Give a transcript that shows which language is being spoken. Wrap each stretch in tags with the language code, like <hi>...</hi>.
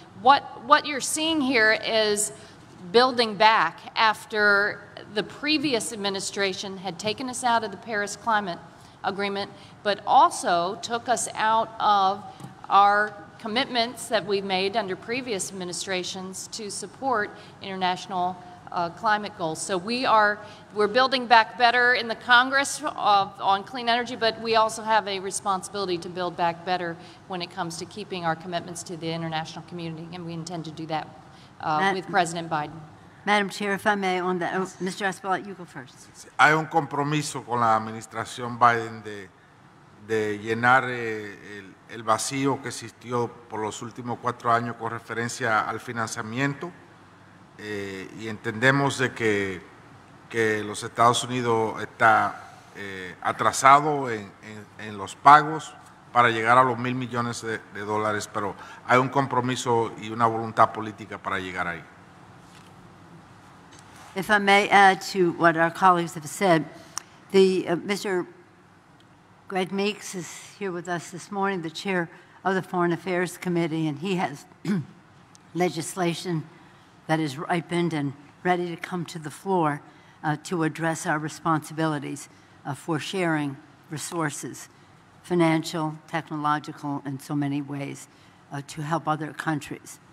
<en>What you're seeing here is building back after the previous administration had taken us out of the Paris Climate Agreement, but also took us out of our commitments that we've made under previous administrations to support international climate goals. So we're building back better in the Congress on clean energy, but we also have a responsibility to build back better when it comes to keeping our commitments to the international community, and we intend to do that with President Biden. Madam Chair, if I may, Mr. Espelette, you go first.</en> <es>Hay un compromiso con la administración Biden de llenar el vacío que existió por los últimos cuatro años con referencia al financiamiento y entendemos de que los Estados Unidos está atrasado en los pagos para llegar a los $1,000 millones de dólares, pero hay un compromiso y una voluntad política para llegar ahí.</es> <en>If I may add to what our colleagues have said, Mr. Greg Meeks is here with us this morning, the chair of the Foreign Affairs Committee, and he has legislation that is ripened and ready to come to the floor to address our responsibilities for sharing resources, financial, technological, in so many ways, to help other countries.</en>